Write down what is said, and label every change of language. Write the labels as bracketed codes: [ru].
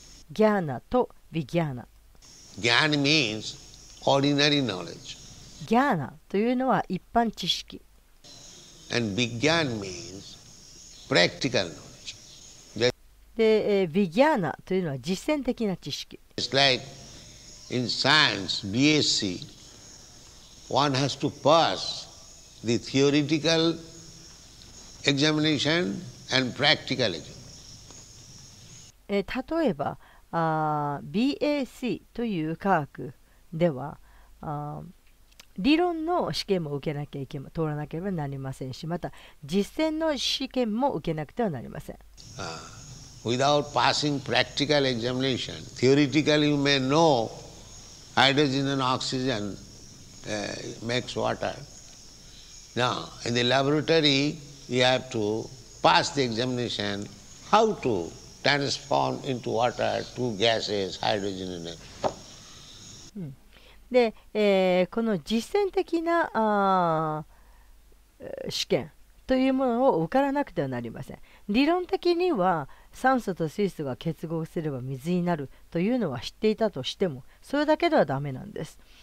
[ja] ギャーナとビギャーナ。 [en] ギャーナ means ordinary knowledge. [ja] ギャーナというのは一般知識。 [en] And ビギャーナ means practical knowledge. [ja] で、ビギャーナというのは実践的な知識。 [en] It's like in science, BSc, one has to pass the theoretical examination and practical examination. [ja] 例えば、BAC という科学では、理論の試験も受けなきゃいけ、通らなければなりませんし、また実践の試験も受けなくてはなりません。 [en] Without passing practical examination, theoretically you may know hydrogen and oxygen makes water. Now, in the laboratory, you have to pass the examination how to transform into water two gases, hydrogen and oxygen. [ja] で、この実践的な試験というものを受からなくてはなりません。理論的には酸素と水素が結合すれば水になるというのは知っていたとしても、それだけではダメなんです。